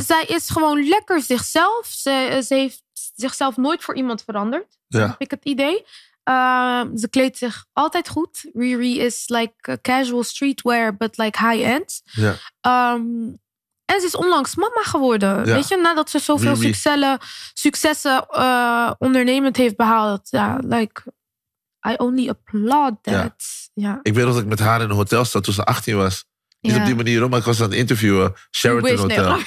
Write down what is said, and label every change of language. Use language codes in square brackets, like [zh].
[nl] Zij is gewoon lekker zichzelf. Ze heeft zichzelf nooit voor iemand veranderd. Ja. Heb ik het idee. Ze kleedt zich altijd goed. [en] Riri is like a casual streetwear, but like high-end. [nl] Ja. En ze is onlangs mama geworden. Ja. Weet je, nadat ze zoveel successen ondernemend heeft behaald. Ja, [en] like, I only applaud that. Ja. [nl] Ik weet dat ik met haar in een hotel zat toen ze 18 was. Niet op die manier, maar ik was aan het interviewen. Sheraton Hotel.